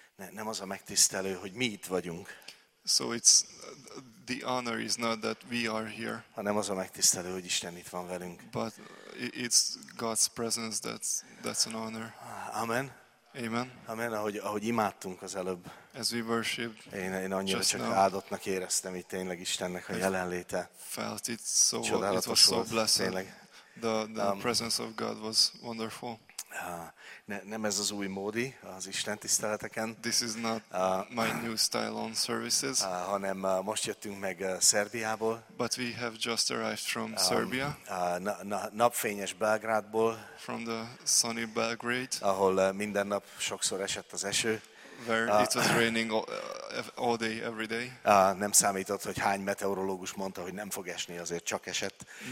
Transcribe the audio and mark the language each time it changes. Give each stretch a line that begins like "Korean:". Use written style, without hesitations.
Hungarian: Nem az a megtisztelő, hogy mi itt vagyunk.
English: So it's the honor is not that we are here.
Hungarian: Hanem az a megtisztelő, hogy Isten itt van velünk.
English: But it's God's presence that's an honor.
Hungarian: Amen.
English: Amen.
Hungarian: Amen. Ahogy imádtunk az előbb.
English: As we worshiped.
Hungarian: Én annyira csak áldottnak éreztem itt tényleg Istennek a jelenléte.
English: Felt it so. It was so blessing. The presence of God was wonderful.
Hungarian: Nem ez az új módi az Isten tiszteleteken.
English: This is not my new style on services.
Hungarian: Hanem most jöttünk meg Szerbiából.
English: But we have just arrived from Serbia.
Hungarian: Napfényes Belgrádból.
English: From the sunny Belgrade.
Hungarian: Ahol minden nap sokszor esett az eső.
English: Where it was raining all day, every day.
Hungarian: Nem számított, hogy hány meteorológus mondta, hogy nem fog esni, azért csak esett.